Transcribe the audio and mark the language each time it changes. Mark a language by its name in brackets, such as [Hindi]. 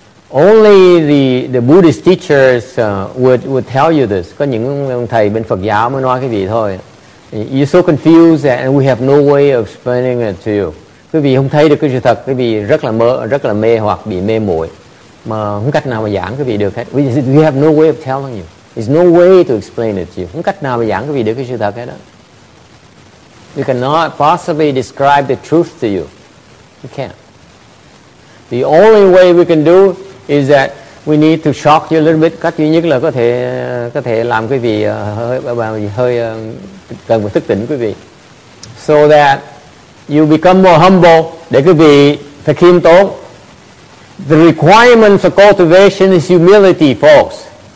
[English] Only the Buddhist teachers would tell you this. [Vietnamese] Có những thầy bên Phật giáo mới nói cái gì thôi. [English] You're so confused and we have no way of explaining it to you. [Vietnamese] Quý vị không thấy được cái sự thật, quý vị rất là mê hoặc, bị mê muội, mà không cách nào mà giảng quý vị được hết. [English] We have no way of telling you. There's no way to explain it to you. [Vietnamese] Không cách nào mà giảng quý vị được cái sự thật hết đó. [English] We cannot possibly describe the truth to you. We can't. The only way we can do is that we need to shock you a little bit. [Vietnamese] Cách duy nhất là có thể làm quý vị hơi cần phải thức tỉnh quý vị, [English] so that you become more humble, [Vietnamese] để quý vị phải khiêm tốn. [English] The requirement for cultivation is humility, folks.